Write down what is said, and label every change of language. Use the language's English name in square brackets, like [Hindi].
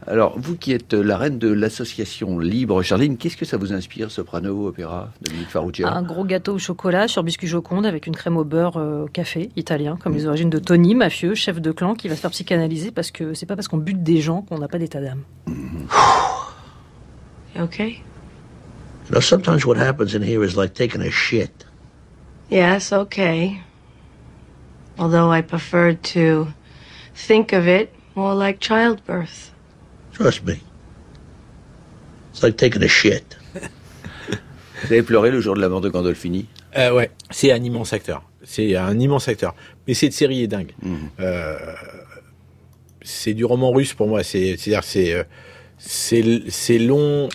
[French] Alors, vous qui êtes la reine de l'association Libre, Charline, qu'est-ce que ça vous inspire, Soprano, opéra, Dominique Farrugia ? Un gros gâteau au chocolat sur biscuit joconde avec une crème au beurre au café italien, comme les origines de Tony, mafieux, chef de clan, qui va se faire psychanalyser parce que c'est pas parce qu'on bute des gens qu'on n'a pas d'état d'âme. [English] Okay. You know, sometimes what happens in here is like taking a shit. Yes, okay. Although I prefer to think of it more like childbirth. Trust me. It's like taking a shit. [French] Vous avez pleuré le jour de la mort de Gandolfini ? Ouais, c'est un immense acteur. C'est un immense acteur. Mais cette série est dingue. C'est du roman russe pour moi. C'est long